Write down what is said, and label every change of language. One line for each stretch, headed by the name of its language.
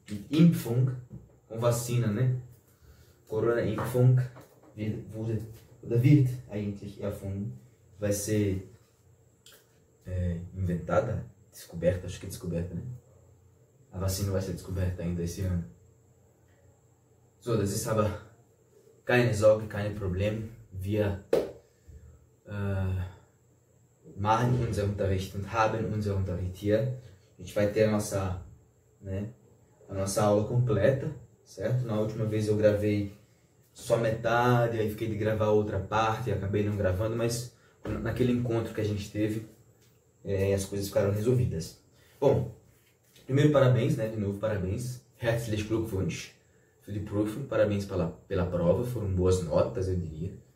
Portuguese: Impfung, com vacina, né?
German: Corona Impfung, wurde eigentlich erfunden,
Portuguese: vai ser inventada, descoberta, acho que é descoberta, né? A vacina vai ser descoberta ainda esse ano.
German: So, das ist aber keine Sorge, kein Problem. Wir machen unser Unterricht und haben unser Unterricht hier.
Portuguese: A gente vai ter nossa, né? A nossa aula completa, certo? Na última vez eu gravei só metade, aí fiquei de gravar outra parte e acabei não gravando, mas naquele encontro que a gente teve, as coisas ficaram resolvidas. Bom, primeiro parabéns, né? De novo, parabéns.
German: Herzlich Glückwunsch für die Prüfung,
Portuguese: parabéns pela prova, foram boas notas, eu diria.